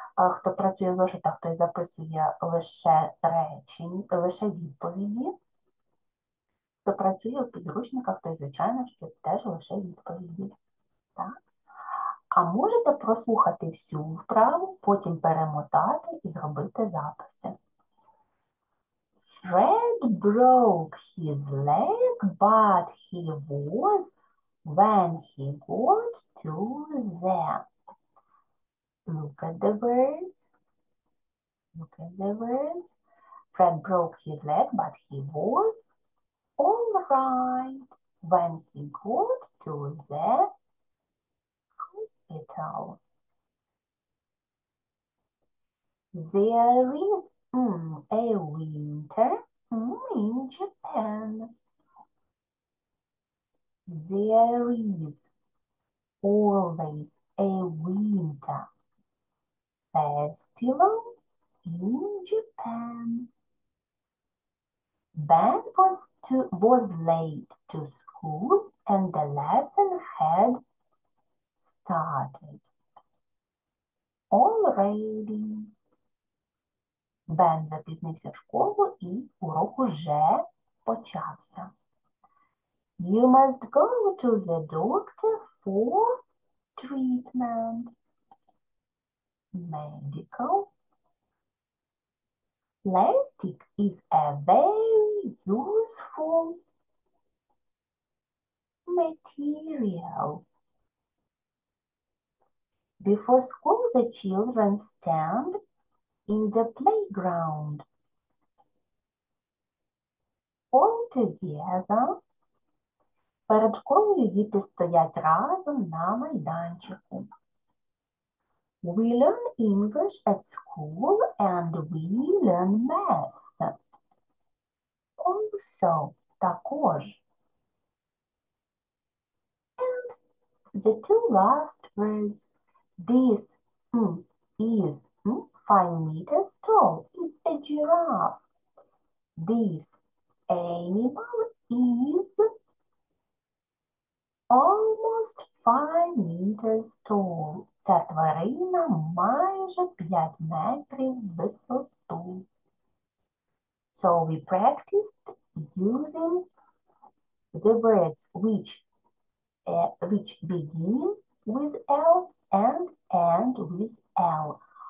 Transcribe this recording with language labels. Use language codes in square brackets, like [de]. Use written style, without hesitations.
[uk] Хто працює в зошитах, той записує лише речення, лише відповіді. Хто працює в підручниках, той, звичайно, що теж лише відповіді. Так? А можете прослухати всю вправу, потім перемотати і зробити записи. [en] Fred broke his leg, but he was when he got to them. Look at the words. Look at the words. Fred broke his leg, but he was all right when he got to the hospital. There is a winter in Japan. There is always a winter festival in Japan. Ben was late to school and the lesson had started already. [uk] Бен запізнився в школу і урок уже почався. [en] You must go to the doctor for treatment. Medical. Plastic is a very useful material. Before school, the children stand in the playground. All together. [uk] Перед школою діти стоять разом на майданчику. [en] We learn English at school and we learn math. Also, також. And the two last words. This is 5 meters tall. It's a giraffe. This animal is almost 5 meters tall. [uk] Ця тварина майже 5 метрів висоту. [en] So we practiced using the words which begin with L and end with L.